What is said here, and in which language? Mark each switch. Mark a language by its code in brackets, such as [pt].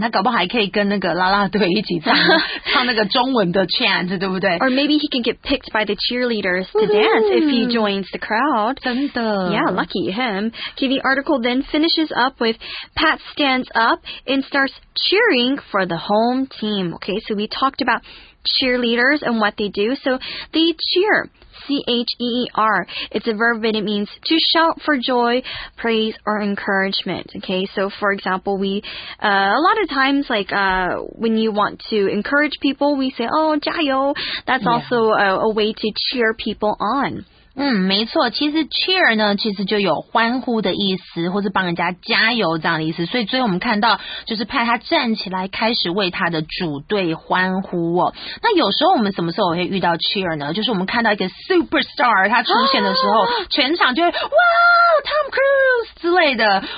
[zh] 他搞不好还可以跟那个啦啦队一起唱唱那个中文的 chant， 对不对 [en] ？Or maybe he can get picked by the cheerleaders to dance if he joins the crowd. [zh] 真的 [en] ？Yeah, lucky him. Okay, the article then finishes up with Pat stands up and starts cheering for the home team. Okay, so we talked about cheerleaders and what they do. So they cheer. C-H-E-E-R. It's a verb and it means to shout for joy, praise, or encouragement. Okay, so for example, we, a lot of times, like, when you want to encourage people, we say, oh, 加油. That's also a way to cheer people on. [zh] 嗯，没错，其实 cheer 呢，其实就有欢呼的意思，或是帮人家加油这样的意思。所以最后我们看到，就是派他站起来，开始为他的主队欢呼哦。那有时候我们什么时候会遇到 cheer 呢？就是我们看到一个 superstar 他出现的时候，全场就会哇 ，Tom Cruise 之类的。